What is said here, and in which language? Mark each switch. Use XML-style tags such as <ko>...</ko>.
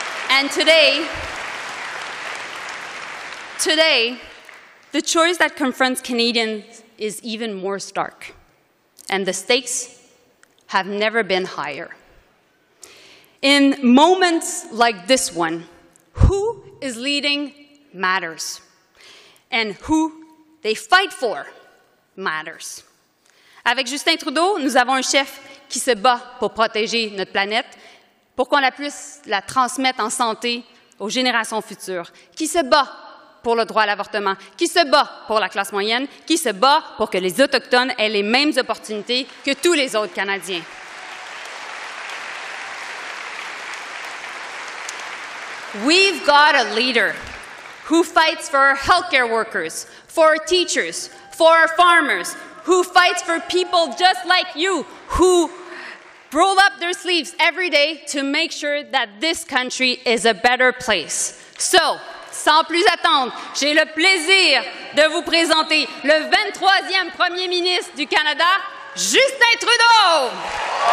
<en>And today, the choice that confronts Canadians is even more stark. And the stakes have never been higher. In moments like this one, who is leading matters. and who they fight for matters.</en> <fr>Avec Justin Trudeau, nous avons un chef qui se bat pour protéger notre planète, pour qu'on la puisse la transmettre en santé aux générations futures, qui se bat pour le droit à l'avortement, qui se bat pour la classe moyenne, qui se bat pour que les Autochtones aient les mêmes opportunités que tous les autres Canadiens.</fr> <en>We've got a leader who fights for healthcare workers, for teachers, for farmers, who fights for people just like you, who roll up their sleeves every day to make sure that this country is a better place.</en> <fr>So, sans plus attendre, j'ai le plaisir de vous présenter le 23e Premier ministre du Canada, Justin Trudeau!</fr>